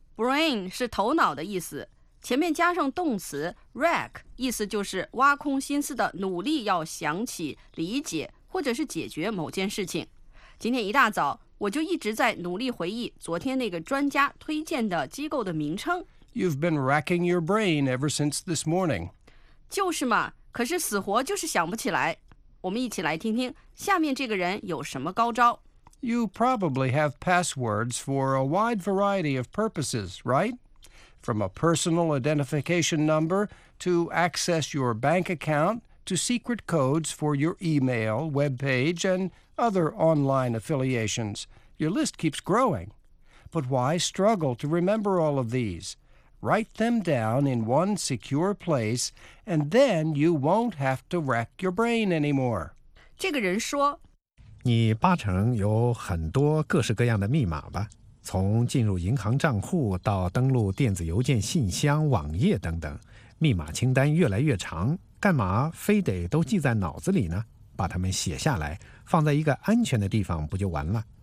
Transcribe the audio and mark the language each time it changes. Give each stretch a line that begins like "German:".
Chinese: Brain 是头脑的意思，前面加上动词 rack， 意思就是挖空心思的努力要想起、理解或者是解决某件事情。今天一大早我就一直在努力回忆昨天那个专家推荐的机构的名称。
English: You've been racking your brain ever since this morning.
Chinese: 就是嘛，可是死活就是想不起来。我们一起来听听下面这个人有什么高招。
English: You probably have passwords for a wide variety of purposes, right? From a personal identification number to access your bank account to secret codes for your email, web page, and other online affiliations. Your list keeps growing. But why struggle to remember all of these? Write them down in one secure place, and then you won't have to rack your brain anymore.
Chinese: 这个人说，你八成有很多各式各样的密码吧，从进入银行账户到登录电子邮件信箱、网页等等，密码清单越来越长，干嘛非得都记在脑子里呢？把它们写下来，放在一个安全的地方不就完了？